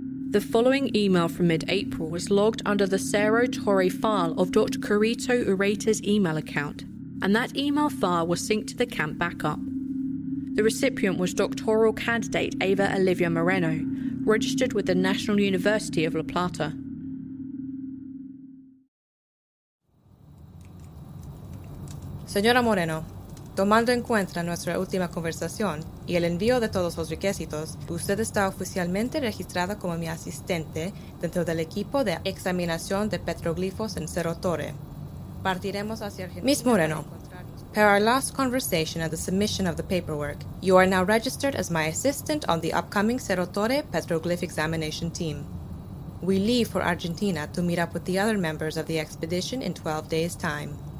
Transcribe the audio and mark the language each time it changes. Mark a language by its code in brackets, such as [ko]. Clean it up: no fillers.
[en] The following email from mid-April was logged under the Cerro Torre file of Dr. Kurito Ureta's email account, and that email file was synced to the camp backup. The recipient was doctoral candidate Ava Olivia Moreno, registered with the National University of La Plata. [es] Señora Moreno, tomando en cuenta nuestra última conversación y el envío de todos los requisitos, usted está oficialmente registrada como mi asistente dentro del equipo de examinación de petroglifos en Cerro Torre. Partiremos hacia Argentina. [en] Miss Moreno, per our last conversation and the submission of the paperwork, you are now registered as my assistant on the upcoming Cerro Torre petroglyph examination team. We leave for Argentina to meet up with the other members of the expedition in 12 days' time.